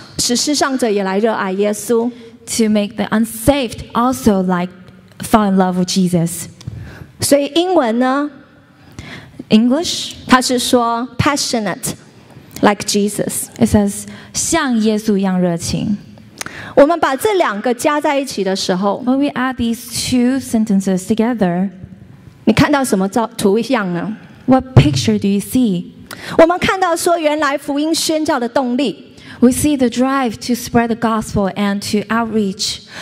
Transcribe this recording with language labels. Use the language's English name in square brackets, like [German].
[Chinese] 使世上者也来热爱耶稣 [English] to make the unsaved also like fall in love with Jesus [Chinese] 所以英文呢 [English] English [Chinese] 它是说 [English] passionate like Jesus It says [Chinese] 像耶稣一样热情我们把这两个加在一起的时候 [English] When we add these two sentences together [Chinese] 你看到什么照图像呢 [English] What picture do you see? [Chinese] 我们看到说原来福音宣教的动力 [English] We see the drive to spread the gospel and to outreach